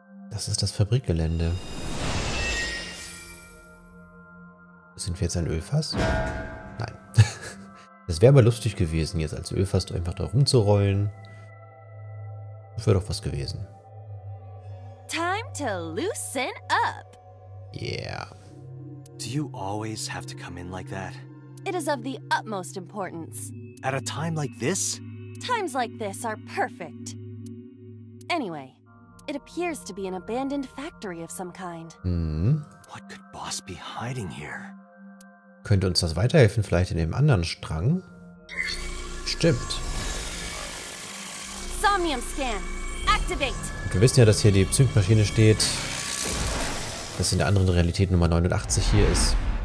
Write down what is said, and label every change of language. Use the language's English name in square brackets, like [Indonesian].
[German] Das ist das Fabrikgelände. Sind wir jetzt ein Ölfass? Nein. Es wäre aber lustig gewesen, jetzt als Ölfass einfach da rumzurollen. Das wäre doch was gewesen. [English] Time to loosen up. Yeah. Do you always have to come in like that? It is of the utmost importance. At a time like this? Times like this are perfect. Anyway, it appears to be an abandoned factory of some kind. What could Boss be hiding here? [German] Könnte uns das weiterhelfen, vielleicht in dem anderen Strang? Stimmt. [English] Somnium Scan, activate! [German] Und wir wissen ja, dass hier die Psync-Maschine steht. Dass in der anderen Realität Nummer 89 hier ist.